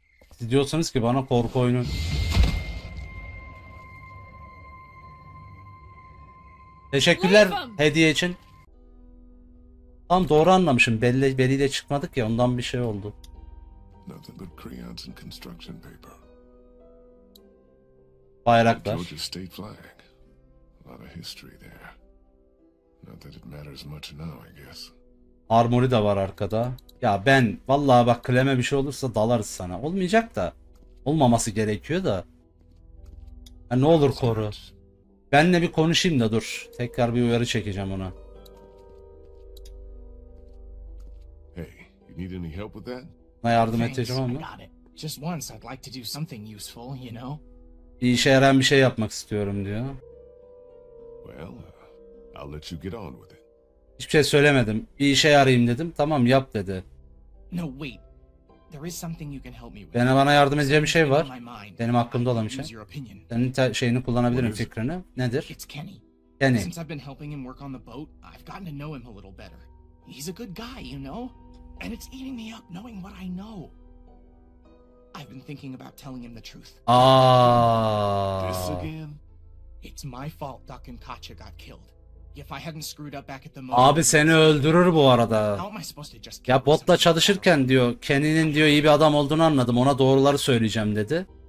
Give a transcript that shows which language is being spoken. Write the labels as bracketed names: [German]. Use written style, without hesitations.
[Turkish] Siz diyorsunuz ki bana korku oyunu. Teşekkürler Hayvan. hediye için. Tam doğru anlamışım. Belliyle çıkmadık ya, ondan bir şey oldu. [English] Nothing but crayons and construction paper. [Turkish] Bayraklar. [English] Georgia State flag. A lot of history there. Not that it matters much now, I guess. [Turkish] Armori de var arkada. Ya ben vallahi bak, Clem'e bir şey olursa dalarız sana. Olmayacak da. Olmaması gerekiyor da. Ya ne olur koru. Benle bir konuşayım da dur. Tekrar bir uyarı çekeceğim ona. [English] Hey, you need any help with that? [Turkish] Ona yardım edeceğim ama. [English] Just once I'd like to do something useful, you know. [Turkish] Bir işe yarayan bir şey yapmak istiyorum diyor. [English] Well, I'll let you get on with it. [Turkish] Hiçbir şey söylemedim. Bir işe yarayayım dedim. Tamam, yap dedi. [English] No, wait. There is something you can help me with. [Turkish] Bana yardım edeceğim bir şey var. Benim hakkımda olan bir şey. Senin şeyini kullanabilirim, fikrini. Nedir? [English] It's Kenny. Kenny. Since I've been helping him work on the boat, I've gotten to know him a little better. He's a good guy, you know? And it's eating me up knowing what I know. I've been thinking about telling him the truth. Ah. This again? It's my fault Doc and Katya got killed. If I hadn't screwed up back at the [Turkish] moment, abi seni öldürür bu arada. Ya botla çalışırken diyor, Kenny'nin diyor iyi bir adam olduğunu anladım. Ona doğruları söyleyeceğim dedi.